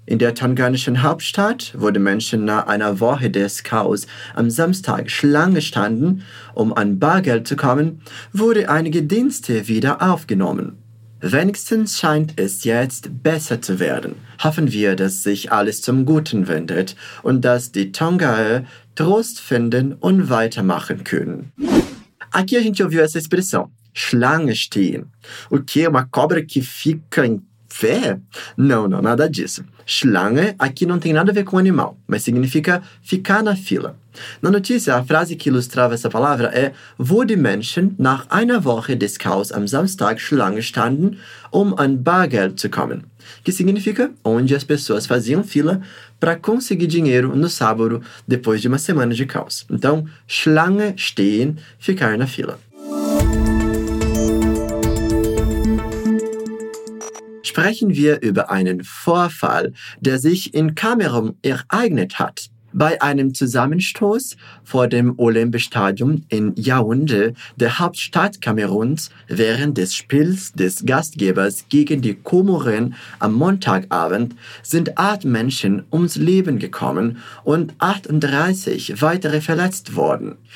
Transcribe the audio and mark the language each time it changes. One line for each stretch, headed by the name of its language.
German: In der tonganischen Hauptstadt, wo die Menschen nach einer Woche des Chaos am Samstag Schlange standen, um an Bargeld zu kommen, wurde einige Dienste wieder aufgenommen. Wenigstens scheint es jetzt besser zu werden. Hoffen wir, dass sich alles zum Guten wendet und dass die Tongaer Trost finden und weitermachen können.
Portuguese: Aqui a gente ouviu essa expressão,
German: Schlange stehen.
Portuguese: O que? Uma cobra que fica em pé? Não, nada disso. Schlange aqui não tem nada a ver com animal, mas significa ficar na fila. Na notícia, a frase que ilustrava essa palavra é
German: Wo die Menschen nach einer Woche des Chaos am Samstag Schlange standen, um an Bargeld zu kommen.
Portuguese: Que significa onde as pessoas faziam fila para conseguir dinheiro no sábado depois de uma semana de caos. Então,
German: Schlange stehen,
Portuguese: ficar na fila.
German: Sprechen wir über einen Vorfall, der sich in Kamerun ereignet hat. bei einem Zusammenstoß vor dem Olympiastadion in Yaoundé, der Hauptstadt Kameruns, während des Spiels des Gastgebers gegen die Komoren am Montagabend sind 8 Menschen ums Leben gekommen und 38 weitere verletzt worden.